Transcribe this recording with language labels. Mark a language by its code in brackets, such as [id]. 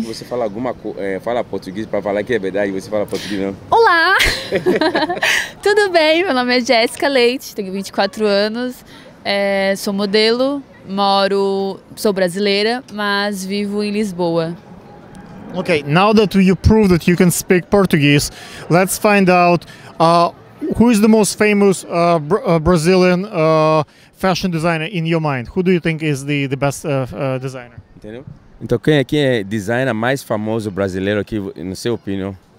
[pt] que você fala alguma fala português para falar que é verdade, você fala português não? Olá. Tudo bem? Meu nome é Jessica Leite, tenho 24 anos. Sou modelo, sou brasileira, mas vivo em Lisboa. [en] Okay, now that you prove that you can speak Portuguese, let's find out who is the most famous Brazilian fashion designer in your mind. Who do you think is the best designer? [pt] Entendeu? Então quem aqui é designer mais famoso brasileiro aqui, na sua opinião?